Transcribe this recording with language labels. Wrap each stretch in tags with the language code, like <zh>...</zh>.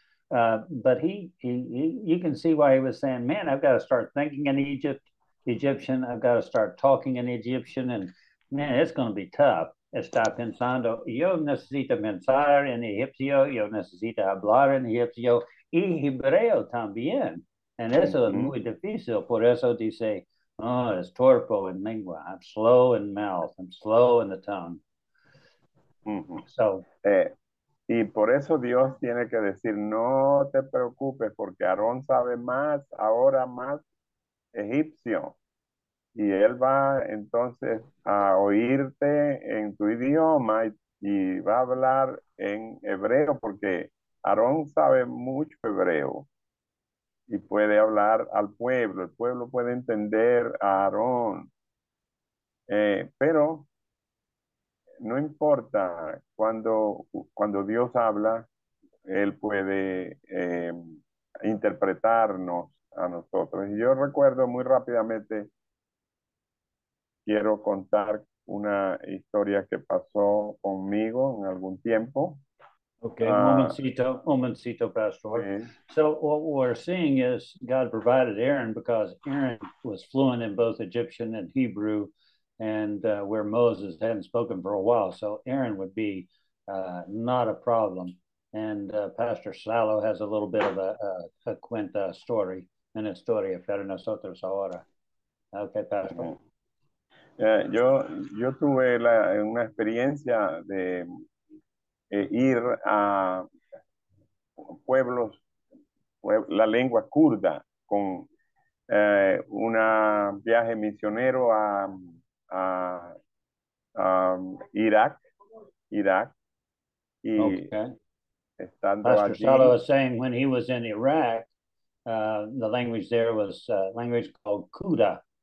<en>But he, you can see why he was saying, man, I've got to start thinking in Egyptian. I've got to start talking in Egyptian. And man, it's going to be tough.</en> <es>Está pensando, yo necesito pensar en egipcio. Yo necesito hablar en egipcio. Y hebreo también. And eso es muy difícil. Por eso dice, oh, es torpo en lengua.</es> <en>I'm slow in mouth. I'm slow in the tongue. Mm-hmm. So</en> <es>Y por eso Dios tiene que decir, no te preocupes, porque Aarón sabe más, ahora más egipcio. Y él va entonces a oírte en tu idioma y va a hablar en hebreo, porque Aarón sabe mucho hebreo y puede hablar al pueblo. El pueblo puede entender a Aarón. Pero no importa, cuando Dios habla, él puede interpretarnos a nosotros. Y yo recuerdo muy rápidamente, quiero contar una historia que pasó conmigo en algún tiempo. Okay, momentito, Pastor. Okay.</es> <en>So what we're seeing is God provided Aaron because Aaron was fluent in both Egyptian and Hebrew, and where Moses hadn't spoken for a while. So Aaron would be not a problem. And Pastor Salo has a little bit of a cuenta story,</en> <es>una historia para nosotros ahora.</es> <en>Okay, Pastor. Okay.</en> <es>Yo tuve una experiencia de ir a pueblos, la lengua kurda, con un viaje misionero a Irak, y okay. Estando Pastor allí.</es> <en>Pastor Salo was saying when he was in Iraq, the language there was a language called Kuda.</en>